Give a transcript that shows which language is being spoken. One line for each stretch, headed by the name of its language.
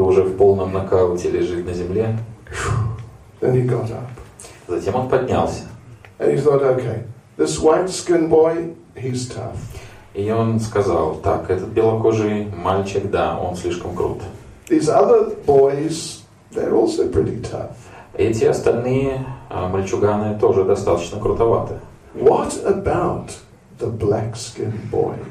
Russian: уже в полном нокауте лежит на земле.
English: Then he got up.
Russian: Затем он поднялся.
English: And he thought, okay, this white-skinned boy, he's tough.
Russian: И он сказал, так, этот белокожий мальчик, да, он слишком крут.
English: These other boys, they're also pretty tough.
Russian: Эти остальные мальчуганы тоже достаточно крутоваты.
English: What about the black-skinned boy?